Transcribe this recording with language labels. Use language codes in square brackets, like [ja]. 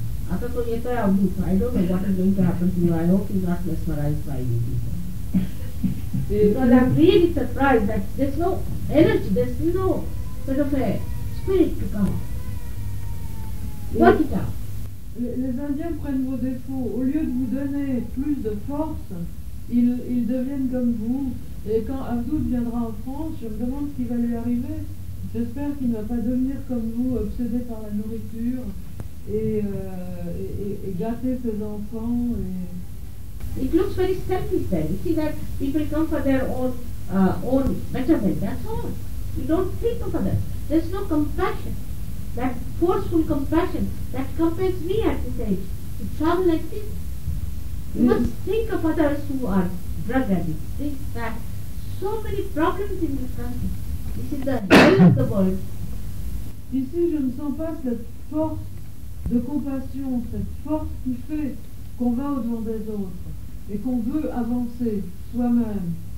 [en] I don't know what is going to happen to you. I hope he's not mesmerized by you. Because I'm really surprised that there's no energy, there's no sort of a spirit to come. Work it out. [fr] Les Indiens prennent vos défauts. Au lieu de vous donner plus de force, ils deviennent comme vous. Et quand Abdul viendra en France, je me demande ce qui va lui arriver. J'espère qu'il ne va pas devenir comme vous, obsédé par la nourriture. Et gâter ses enfants et... [en] It looks very selfish then. You see that people come for their own betterment, that's all. You don't think of others. There's no compassion, that forceful compassion that compels me at this age to travel like this. You must think of others who are drug addicts. Think that so many problems in this country. This is the hell of the world. [fr] Ici, je ne sens pas cette force de compassion, cette force qui fait qu'on va au-devant des autres et qu'on veut avancer soi-même.